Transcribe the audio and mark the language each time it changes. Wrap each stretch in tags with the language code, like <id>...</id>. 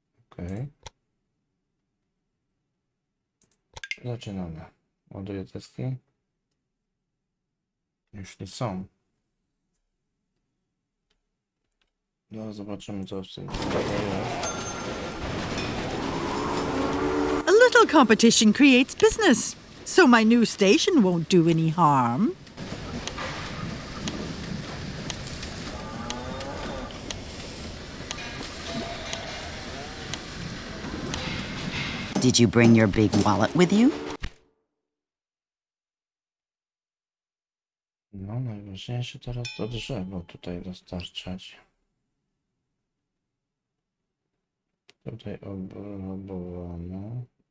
<pl>Okej. Okay. Zaczynamy. Moduje deski. Jeśli są. No, zobaczymy, co w tym zdarzeniu.</pl> <en>A little competition creates business. So my new station won't do any harm. Did you bring your big wallet with you?</en> <pl>No, najważniejsze teraz to drzewo tutaj dostarczać. Tutaj obrabowano.</pl>